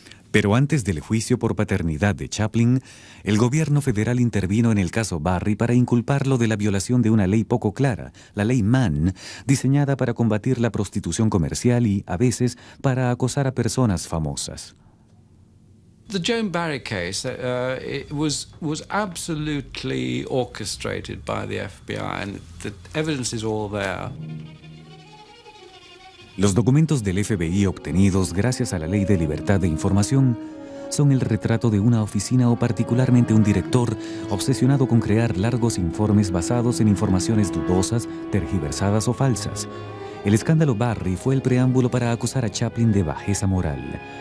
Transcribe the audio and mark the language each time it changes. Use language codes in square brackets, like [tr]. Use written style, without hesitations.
[es] Pero antes del juicio por paternidad de Chaplin, el gobierno federal intervino en el caso Barry para inculparlo de la violación de una ley poco clara, la ley Mann, diseñada para combatir la prostitución comercial y, a veces, para acosar a personas famosas. [en] The Joan Barry case was absolutely orchestrated by the FBI, and the evidence is all there. [es] Los documentos del FBI obtenidos gracias a la Ley de Libertad de Información son el retrato de una oficina o particularmente un director obsesionado con crear largos informes basados en informaciones dudosas, tergiversadas o falsas. El escándalo Barry fue el preámbulo para acusar a Chaplin de bajeza moral.